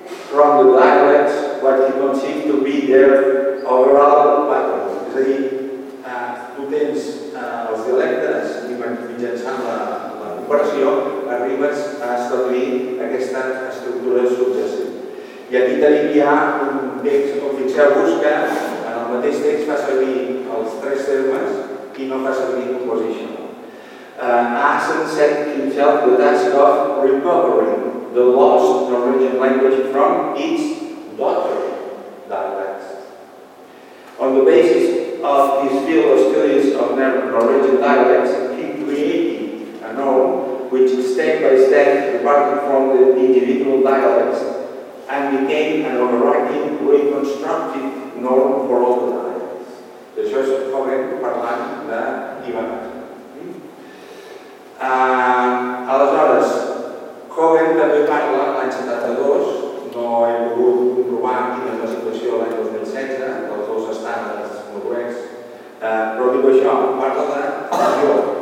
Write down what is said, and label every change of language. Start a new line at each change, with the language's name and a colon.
English: from the dialect what he conceived to be their overall pattern.
Catalan: És a dir, tu tens els dialectes i mitjançant la comparació arribes a establir aquesta estructura subjacent. I aquí tenim ja un text, com fixeu-vos, que en el mateix text fa servir els tres termes i no fa servir composition.
English: Hasn't set himself the task of recovering the lost Norwegian language from its daughter dialects. On the basis of his field of studies of Norwegian dialects, he created a norm which step by step departed from the individual dialects and became an overarching reconstructed norm for all the dialects.
Catalan: Això és Hogan parlant d'Ivan. Aleshores, Hogan també parla l'any 72, no he volgut comprovar quina és la situació l'any 2016, els dos estàndards noruecs, però dic això, parla de jo.